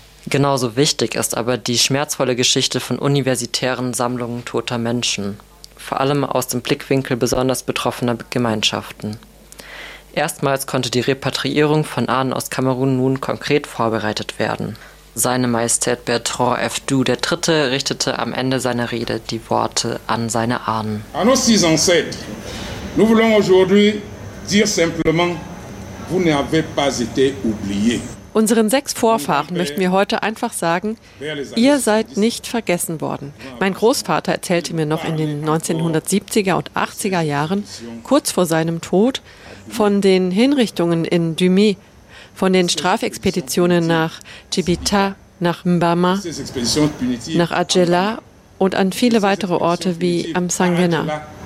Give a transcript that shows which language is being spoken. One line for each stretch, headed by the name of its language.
German: Genauso wichtig ist aber die schmerzvolle Geschichte von universitären Sammlungen toter Menschen, vor allem aus dem Blickwinkel besonders betroffener Gemeinschaften. Erstmals konnte die Repatriierung von Ahnen aus Kamerun nun konkret vorbereitet werden. Seine Majestät Bertrand F. Du III. Richtete am Ende seiner Rede die Worte an seine Ahnen.
French: An nos six ancêtres, nous voulons aujourd'hui dire simplement, vous n'avez pas été oubliés.
German: Unseren sechs Vorfahren möchten wir heute einfach sagen, ihr seid nicht vergessen worden. Mein Großvater erzählte mir noch in den 1970er und 80er Jahren, kurz vor seinem Tod, von den Hinrichtungen in Dumé, von den Strafexpeditionen nach Djibita, nach Mbama, nach Adjela und an viele weitere Orte wie Amsangena.